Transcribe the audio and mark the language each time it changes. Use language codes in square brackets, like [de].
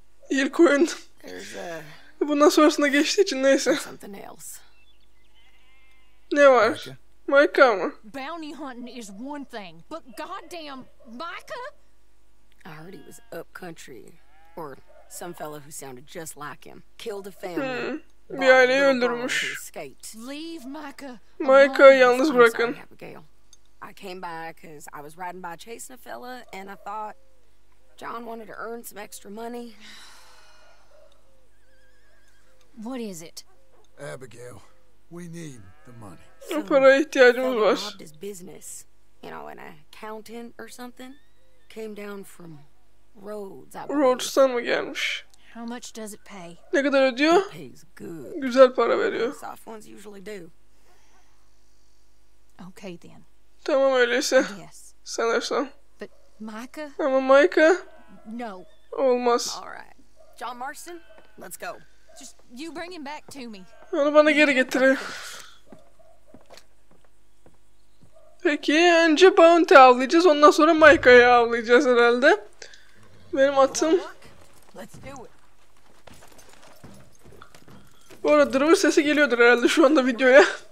[tr] İlk oyun. Bundan sonrasında geçtiği için neyse. Ne var? Micah mı? [en] Bounty hunting is one thing, but goddamn Micah. I heard he was up country, or some fellow who sounded just like him. Killed a family. [tr] Hmm. Bir aileyi öldürmüş. [en] Leave Micah. [tr] Micah'ı yalnız bırakın. [en] I came by because I was riding by chasing a fella, and I thought John wanted to earn some extra money. What is it? Abigail, we need the money. [tr] So, para ihtiyacımız var. [en] His business, you know, an accountant or something, came down from Rhodes. [tr] Rhodes'tan mı gelmiş? [en] How much does it pay? [tr] Ne kadar ödüyor? [en] It pays good. [tr] Güzel para veriyor. [en] Soft ones usually do. Okay then. [tr] Tamam öyleyse. [en] Yes. [tr] Sanırsam. [en] But Micah? [tr] Ama Micah? [en] No. [tr] Olmaz. [en] All right. John Marston, let's go. Just you bring him back to me. [tr] Onu bana geri getirin. Peki önce bounty avlayacağız, ondan sonra Micah'ı avlayacağız herhalde. Benim atım. Bu arada drone sesi geliyordur herhalde şu anda videoya.